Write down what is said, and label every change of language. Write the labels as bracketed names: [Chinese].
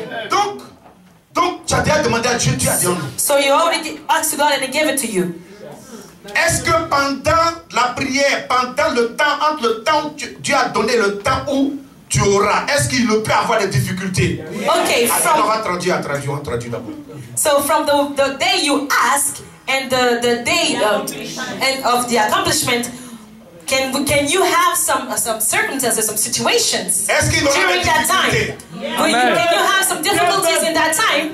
[French] Donc, tu as déjà demandé à Dieu, tu as dit non. [English] So you already asked God and He gave it to you. [French] Est-ce que pendant la prière, pendant le temps, entre le temps où Dieu a donné le temps où tu auras, est-ce qu'il peut avoir des difficultés? [English] Okay, [French] alors on va traduire, on traduit d'abord. [English] So from the day you ask and the day of the accomplishment. Can you have some circumstances, some situations during that time? Yeah. You, can you have some difficulties in that time?